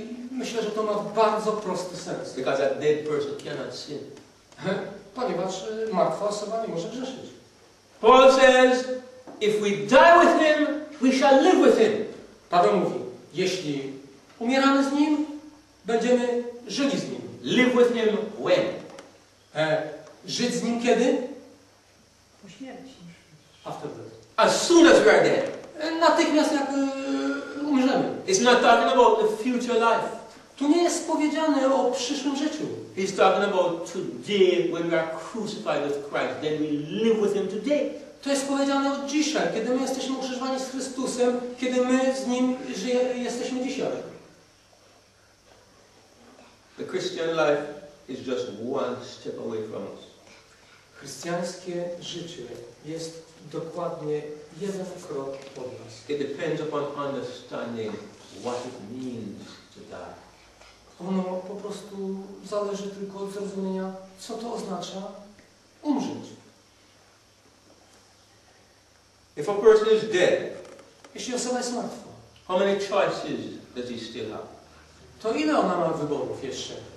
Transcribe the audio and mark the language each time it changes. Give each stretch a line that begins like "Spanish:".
Polish: Myślę, że to ma bardzo prosty sens.
English: Because a dead person cannot sin.
Polish: Ponieważ martwa osoba nie może grzeszyć.
English: Paul says, if we die with him, we shall live with him.
Polish: Paweł mówi, jeśli umieramy z nim, będziemy żyli z nim.
English: Live with him when?
Polish: Żyć z nim kiedy? Po śmierci.
English: After death. As soon as we are dead.
Polish: Natychmiast jak umrzemy.
English: It's not talking about the future life.
Polish: Tu nie jest powiedziane o przyszłym życiu.
English: He's talking about today when we are crucified with Christ, then we live with him today.
Polish: To jest powiedziane od dzisiaj, kiedy my jesteśmy ukrzyżowani z Chrystusem, kiedy my z nim jesteśmy dzisiaj.
English: The Christian life is just one step away from us.
Polish: Chrystianskie życie jest dokładnie jeden krok od nas.
English: It depends upon understanding what it means to die.
Polish: Ono po prostu zależy tylko od zrozumienia, co to oznacza umrzeć.
English: If a person is dead,
Polish: jeśli osoba jest martwa,
English: how many choices does he still have?
Polish: To ile ona ma wyborów jeszcze?